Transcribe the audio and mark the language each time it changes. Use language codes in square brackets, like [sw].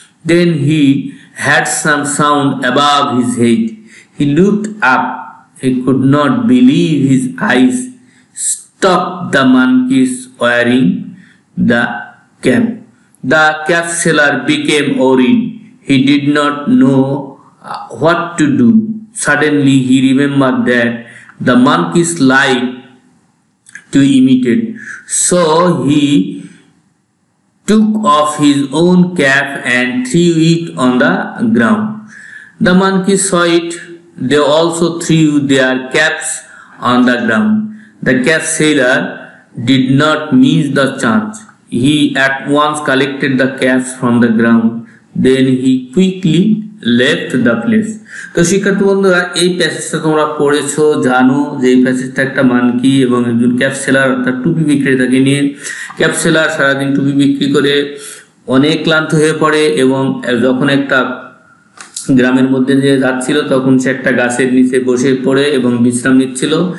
[en] then he heard some sound above his head, he looked up, he could not believe his eyes, stopped the monkeys wearing the cap, the cap seller became worried, he did not know what to do. Suddenly he remembered that the monkeys like to imitate, so he took off his own cap and threw it on the ground. The monkeys saw it, they also threw their caps on the ground. The cap seller did not miss the chance. He at once collected the caps from the ground. Then he quickly left the place. [bn] তো শিক্ষার্থী বন্ধুরা, এই প্যাসেজটা তোমরা পড়েছো, জানো যে এই প্যাসেজটা একটা মানকি এবং একজন ক্যাপ সেলার অর্থাৎ টুপি বিক্রেতাকে নিয়ে। ক্যাপ সেলার সারাদিন টুপি বিক্রি করে অনেক ক্লান্ত হয়ে পড়ে এবং যখন একটা গ্রামের মধ্যে যে যাচ্ছিল তখন সে একটা গাছের নিচে বসে পড়ে এবং বিশ্রাম নিচ্ছিল।